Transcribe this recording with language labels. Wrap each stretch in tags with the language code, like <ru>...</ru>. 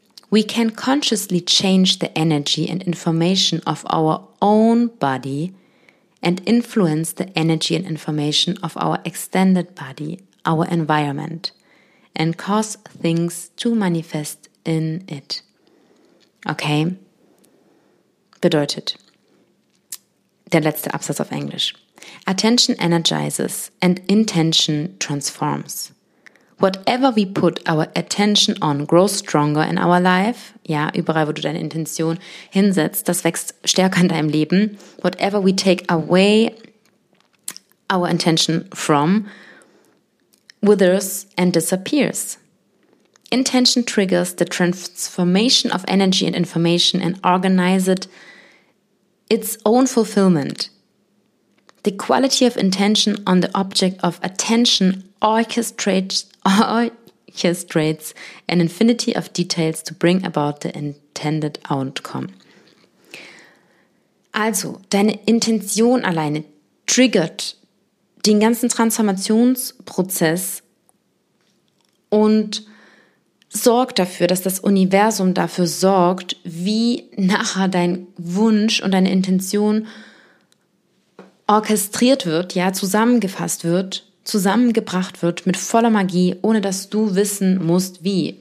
<en>We can consciously change the energy and information of our own body and influence the energy and information of our extended body, our environment, and cause things to manifest in it.</en> <de>Okay? Bedeutet. Der letzte Absatz auf Englisch.</de> <en>Attention energizes and intention transforms. Whatever we put our attention on grows stronger in our life.</en> <de>Ja, überall, wo du deine Intention hinsetzt, das wächst stärker in deinem Leben.</de> <en>Whatever we take away our intention from withers and disappears. Intention triggers the transformation of energy and information and organizes its own fulfillment. The quality of intention on the object of attention orchestrates an infinity of details to bring about the intended outcome.</en> <de>Also, deine Intention alleine triggert den ganzen Transformationsprozess und sorgt dafür, dass das Universum dafür sorgt, wie nachher dein Wunsch und deine Intention orchestriert wird, ja, zusammengefasst wird, zusammengebracht wird mit voller Magie, ohne dass du wissen musst, wie.</de>